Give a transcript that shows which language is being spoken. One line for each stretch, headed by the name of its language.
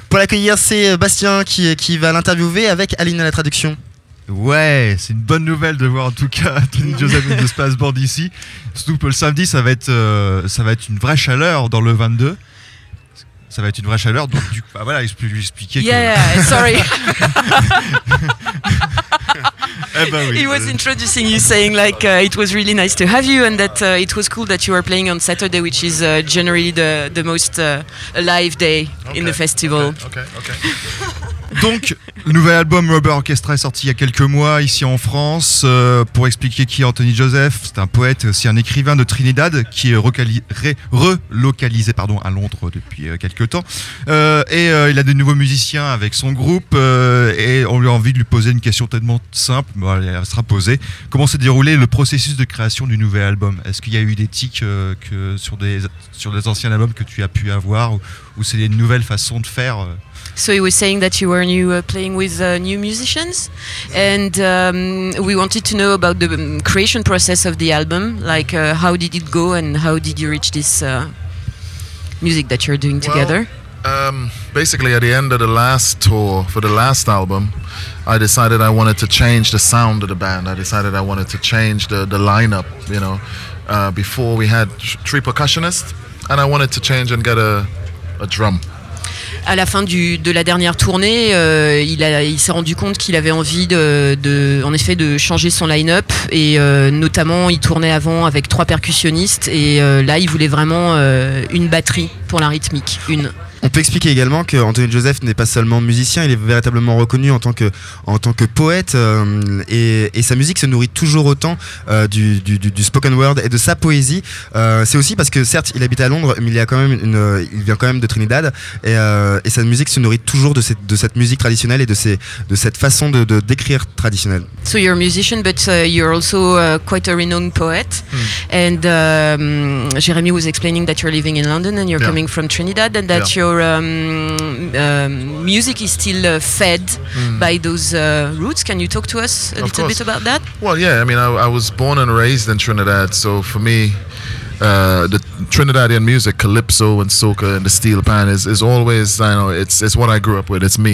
French: Pour l'accueillir, c'est Bastien qui va l'interviewer avec Aline à la traduction. Ouais, c'est une bonne nouvelle de voir en tout cas Anthony Joseph and the Spasm Band ici. Surtout pour le samedi, ça va être une vraie chaleur dans le 22. Ça va être une vraie chaleur, donc du coup, voilà, je peux lui expliquer.
English: Sorry.
French: Eh ben oui,
English: he was introducing you, saying like it was really nice to have you, and that it was cool that you were playing on Saturday, which is generally the most alive day in the festival. Okay.
French: Donc, le nouvel album Rubber Orchestra est sorti il y a quelques mois ici en France. Pour expliquer qui est Anthony Joseph, c'est un poète et aussi un écrivain de Trinidad qui est relocalisé à Londres depuis quelques temps. Et il a de nouveaux musiciens avec son groupe et on lui a envie de lui poser une question tellement simple. Bon, elle sera posée. Comment s'est déroulé le processus de création du nouvel album? Est-ce qu'il y a eu des tics sur les anciens albums que tu as pu avoir ou c'est des nouvelles façons de faire?
English: So he was saying that you were playing with new musicians, and we wanted to know about the creation process of the album, like how did it go and how did you reach this music that you're doing together? Basically, at the end of the last tour, for the last album, I decided I wanted to change the sound of the band. I decided I wanted to change the lineup, you know. Before, we had three percussionists, and I wanted to change and get a drum.
French: À la fin de la dernière tournée, il s'est rendu compte qu'il avait envie de changer son line-up. Et notamment, il tournait avant avec trois percussionnistes. Et là, il voulait vraiment une batterie pour la rythmique. On peut expliquer également qu'Anthony Joseph n'est pas seulement musicien, il est véritablement reconnu en tant que poète. Et sa musique se nourrit toujours autant du spoken word et de sa poésie. C'est aussi parce que certes, il habite à Londres, mais il vient quand même de Trinidad. Et sa musique se nourrit toujours de cette musique traditionnelle et de cette façon de d'écrire traditionnelle.
English: So you're a musician, but you're also quite a renowned poet. And Jeremy was explaining that you're living in London and you're coming from Trinidad and that your music is still fed by those roots. Can you talk to us a little bit about that? Well, yeah. I mean, I was born and raised in Trinidad, so for me, the Trinidadian music, calypso and soca and the steel pan, is always, you know, it's what I grew up with. It's me.